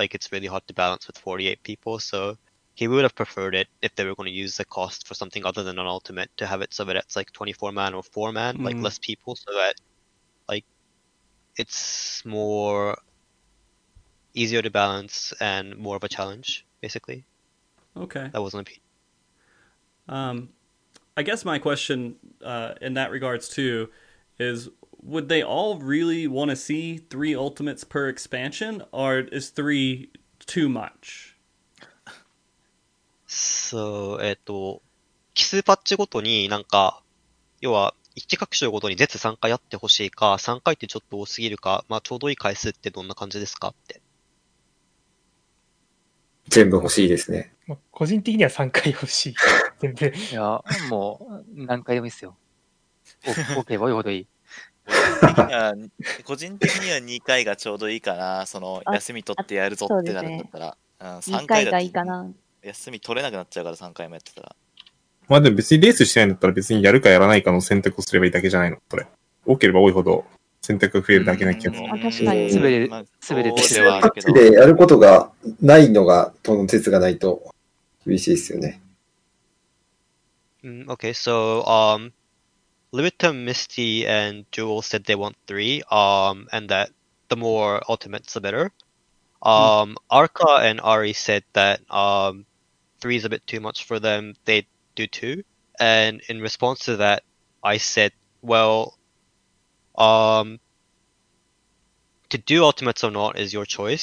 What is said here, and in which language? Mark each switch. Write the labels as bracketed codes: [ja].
[en] Like, it's really hard to balance with 48 people. So he would have preferred it if they were going to use the cost for something other than an ultimate to have it so that it's like 24 man or 4 man, like less people, so that like it's more easier to balance and more of a challenge, basically. Okay. That wasn't a piece. I guess my question in that regards too is, would they all really want to see three ultimates per expansion, or is three too much? [ja] So, キスパッチごとになんか、要は1拡張ごとに絶3回やってほしいか、3回ってちょっと多すぎるか、まあちょうどいい回数ってどんな感じですかって。全部欲しいですね。個人的には3回欲しい。全部。いや、もう何回でもいいですよ。 OK、多いほどいい。個人的には2回がちょうどいいかな。その、休み取ってやるぞってなるんだったら。うん、3回がいいかな。休み取れなくなっちゃうから3回もやってたら。まあでも別にレースしてないんだったら別にやるかやらないかの選択をすればいいだけじゃないの、これ。多ければ多いほど。選択増えるだけな気がする。確かに。滑れる。滑れてしまう。滑ってやることがないのが、との説がないと、厳しいですよね。 [en] Mm, okay, so, Libitum, Misty, and Jewel said they want three, and that the more ultimates, the better. Arca and Ari said that, three is a bit too much for them, they do two. And in response to that, I said, well, to do ultimates or not is your choice.